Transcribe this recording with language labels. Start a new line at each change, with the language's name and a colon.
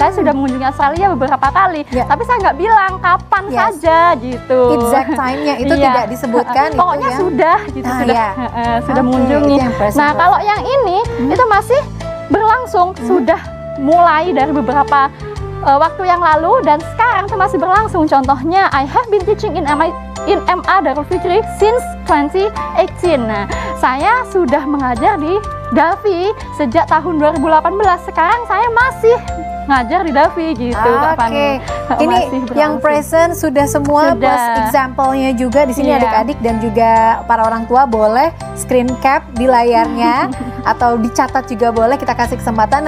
Indonesian: Saya sudah mengunjungi Australia beberapa kali, tapi saya nggak bilang kapan saja gitu. Exact time-nya itu tidak disebutkan. Pokoknya itu sudah gitu, sudah mengunjungi. Nah, kalau yang ini itu masih berlangsung, sudah mulai dari beberapa waktu yang lalu dan sekarang itu masih berlangsung. Contohnya,
English: I have been teaching in MA Darul Fikri since 2018.
Indonesian: Nah, saya sudah mengajar di Davi sejak tahun 2018. Sekarang saya masih ngajar di Davi gitu. Ini yang present sudah semua plus example-nya juga di sini adik-adik dan juga para orang tua boleh screen cap di layarnya atau dicatat juga boleh, kita kasih kesempatan.